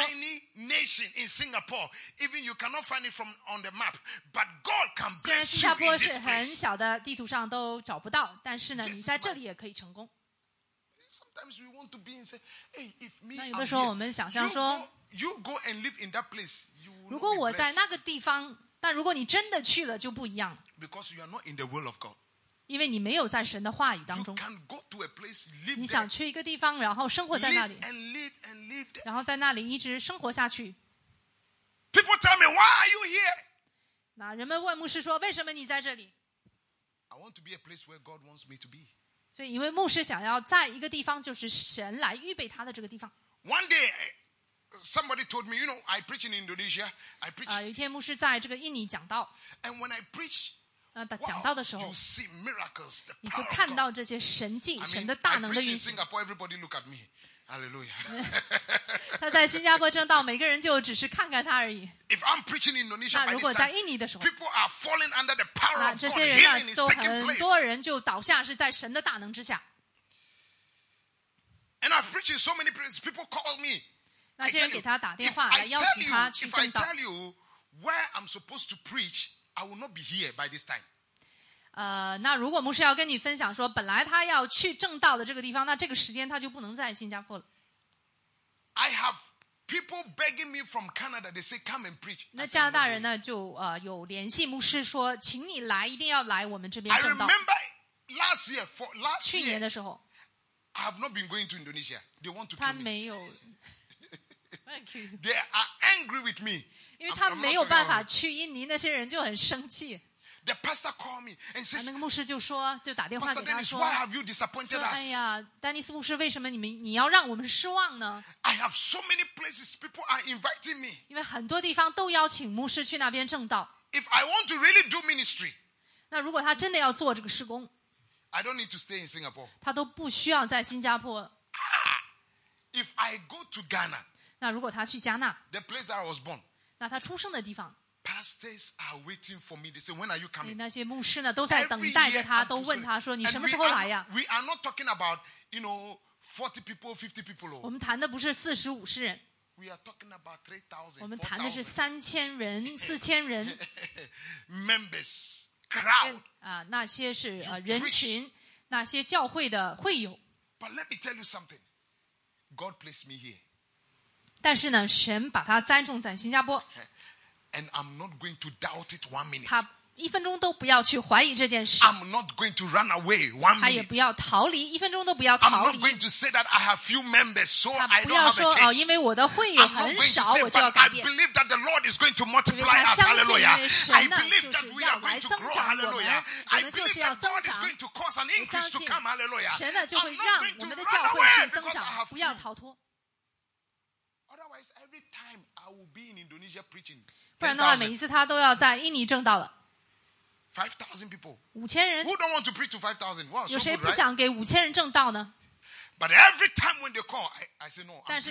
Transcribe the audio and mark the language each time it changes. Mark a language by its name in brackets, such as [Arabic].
[English] A small tiny nation in Singapore even you cannot find it from on the map but God can bless you in this place. [Chinese] 虽然新加坡是很小的地图上都找不到但是呢你在这里也可以成功 [English] Sometimes we want to be and say hey, if me [Chinese] 那有的时候我们想象说 [English] You go and live in that place. You will. [Chinese] 如果我在那个地方，但如果你真的去了，就不一样。 [English] Because you are not in the will of God. [Chinese] 因为你没有在神的话语当中。 [English] You can go to a place, live. [Chinese] 你想去一个地方，然后生活在那里。 [English] Live and live and live. [Chinese] 然后在那里一直生活下去。 [English] People tell me, why are you here? [Chinese] 那人们问牧师说，为什么你在这里？ [English] I want to be a place where God wants me to be. [Chinese] 所以，因为牧师想要在一个地方，就是神来预备他的这个地方。 [English] One day. Somebody told me, you know, I preach in Indonesia. I preach. [Chinese] 有一天牧师在这个印尼讲道。 [English] And when I preach, [Chinese] 讲道的时候 [English] you see miracles, the power [Chinese] 你就看到这些神迹，神的大能的运行。 [English] I preach in Singapore, everybody look at me. Hallelujah. [Chinese] 他在新加坡正道，每个人就只是看看他而已。 [English] If I'm preaching in Indonesia, [Chinese] 那如果在印尼的时候 [English] people are falling under the power of God. [Chinese] 这些人呢，都很多人就倒下，是在神的大能之下。 [English] And I've preached in so many places, people call me. [Chinese] 那些人给他打电话来邀请他去正道。 [English] If I tell you where I'm supposed to preach, I will not be here by this time. [Chinese] 那如果牧师要跟你分享说，本来他要去正道的这个地方，那这个时间他就不能在新加坡了。 [English] I have people begging me from Canada. They say, "Come and preach." [Chinese] 那加拿大人呢，就有联系牧师说，请你来，一定要来我们这边正道。 [English] I remember last year, for last year, [Chinese] 去年的时候, [English] I have not been going to Indonesia. They want to kill [Chinese] 他没有, [English] me. Thank you. They are angry with me. [Chinese] 因为他没有办法去印尼，那些人就很生气。 [English] The pastor called me and says, [Chinese] 那个牧师就说，就打电话给他说， [English] Dennis, why have you disappointed us? [Chinese] 说，哎呀， Dennis 牧师，为什么你要让我们失望呢？ [English] I have so many places people are inviting me. [Chinese] 因为很多地方都邀请牧师去那边证道。 [English] If I want to really do ministry, [Chinese] 那如果他真的要做这个事工， [English] I don't need to stay in Singapore. [Chinese] 他都不需要在新加坡。 [English] If I go to Ghana, [Chinese] 那如果他去加纳， [English] the place that I was born, [Chinese] 那他出生的地方， [English] Pastors are waiting for me. They say, when are you coming? [Chinese] 那些牧师呢，都在等待着他， [English] year, [Chinese] 都问他说， 你什么时候来呀？ [English] We are not talking about, you know, 40 people, 50 people. [Chinese] 我们谈的不是40、50人。 [English] We are talking about 3,000, 4,000. [Chinese] 我们谈的是3,000人, 4,000人。 [English] Members, crowd. [Chinese] 那些是人群， 那些教会的会友。 [English] But let me tell you something. God placed me here. [Chinese] 但是呢， 神把他栽种在新加坡。 [English] And I'm not going to doubt it 1 minute. [Chinese] 他一分钟都不要去怀疑这件事。 [English] I'm not going to run away 1 minute. [Chinese] 他也不要逃离，一分钟都不要逃离。 [English] I'm not going to say that I have few members, so I don't have a chance. [Chinese] 他不要说，因为我的会友很少，我就要改变。 [English] I believe that the Lord is going to multiply us. Hallelujah. I believe that we are going to grow. Hallelujah. I believe that God is going to cause an increase to come. Hallelujah. [Chinese] 神呢就会让我们的教会去增长，不要逃脱。 [English] Otherwise, every time I will be in Indonesia preaching. [Chinese] 不然的话，每一次他都要在印尼证道了。5,000 [English] people. [Chinese] 5,000人。 [English] Who don't want to preach to 5,000? Wow, [Chinese] 有谁不想给5,000人证道呢？ [English] But every time when they call, I say no.